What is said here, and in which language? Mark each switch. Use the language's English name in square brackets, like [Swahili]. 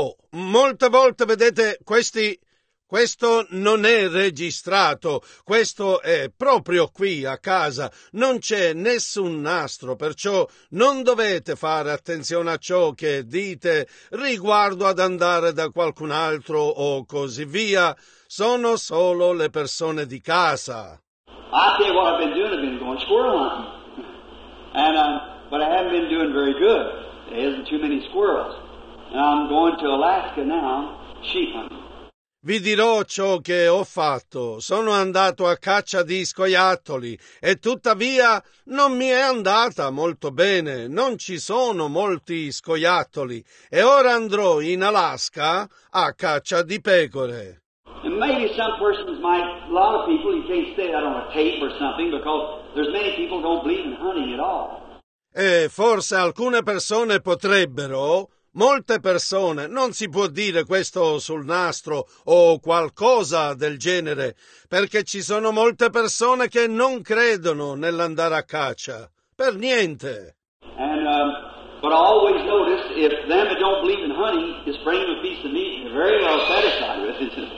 [Italian] Molte volte vedete questo non è registrato, questo è proprio qui a casa, non c'è nessun nastro, perciò non dovete fare attenzione a ciò che dite riguardo ad andare da qualcun altro o così via, sono solo le persone di casa. [English] I tell you what I've been doing, I've been going squirrel hunting, and, but I haven't been doing very good, there isn't too many squirrels. I'm going to Alaska now, sheep hunting. [Italian] Vi dirò ciò che ho fatto. Sono andato a caccia di scoiattoli e tuttavia non mi è andata molto bene. Non ci sono molti scoiattoli e ora andrò in Alaska a caccia di pecore. [English] And maybe some persons might, a lot of people, you can't say that on a tape or something because there's many people who don't believe in hunting at all. [Italian] E forse alcune persone potrebbero. Molte persone, non si può dire questo sul nastro o qualcosa del genere, perché ci sono molte persone che non credono nell'andare a caccia, per niente. [English] And, but I always notice if them that don't believe in hunting is bringing a piece of meat, they're very well satisfied with it.